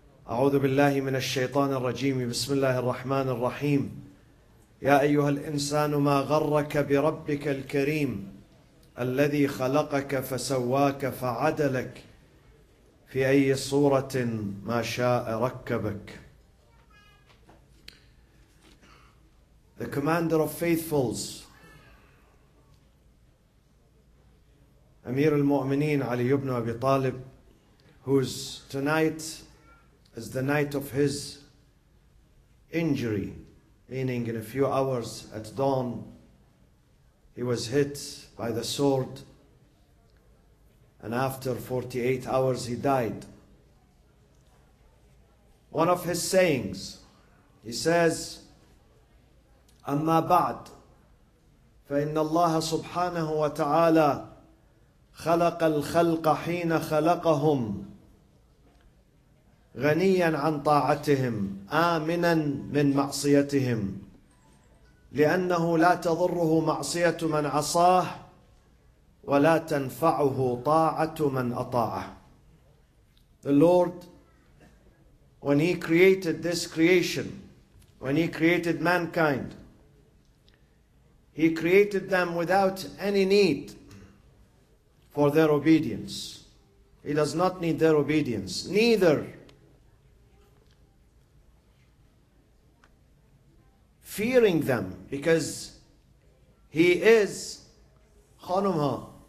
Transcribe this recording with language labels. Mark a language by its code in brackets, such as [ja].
[ar] أعوذ بالله من الشيطان الرجيم. بسم الله الرحمن الرحيم. يا أيها الإنسان ما غرك بربك الكريم الذي خلقك فسواك فعدلك في أي صورة ما شاء ركبك. [en] The commander of faithfuls, Amir al-Mu'mineen Ali ibn Abi Talib, whose tonight is the night of his injury, meaning in a few hours at dawn, he was hit by the sword, and after 48 hours he died. One of his sayings, he says, [ar] أَمَّا بَعْدْ فَإِنَّ اللَّهَ سُبْحَانَهُ وَتَعَالَى خَلَقَ الْخَلْقَ حِينَ خَلَقَهُمْ غنياً عن طاعتهم آمناً من معصيتهم لأنه لا تضره معصية من عصاه ولا تنفعه طاعة من أطاعه. [en] The Lord, when He created this creation, when He created mankind, He created them without any need for their obedience. He does not need their obedience. Neither fearing them, because he is khanumha.